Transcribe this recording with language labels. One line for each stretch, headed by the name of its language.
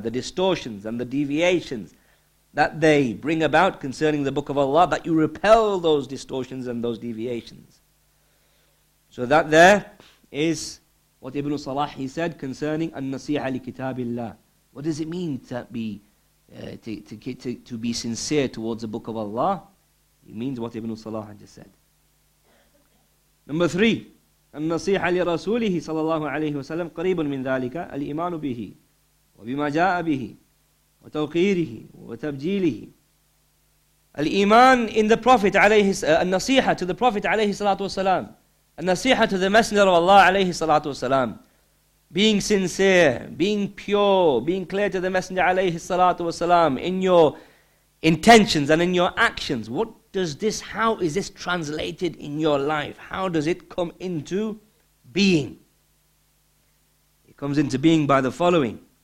English: The distortions and the deviations that they bring about concerning the book of Allah, that you repel those distortions and those deviations. So that there is what Ibn Salah, he said concerning
Arabic: النَّصِيحَ لِكِتَابِ اللَّهِ.
English: What does it mean to be sincere towards the book of Allah? It means what Ibn Salah just said. Number three,
Arabic: النصيحة لرسوله صلى الله عليه وسلم قريب من ذلك الإيمان به وبما جاء به وتوقيره وتبجيله.
English: الإيمان in the Prophet عليه النصيحة to the Prophet عليه الصلاة والسلام, النصيحة to the Messenger of Allah عليه الصلاة والسلام. Being sincere, being pure, being clear to the Messenger alayhi salatu wasalam in your intentions and in your actions. What does this, how is this translated in your life? How does it come into being? It comes into being by the following.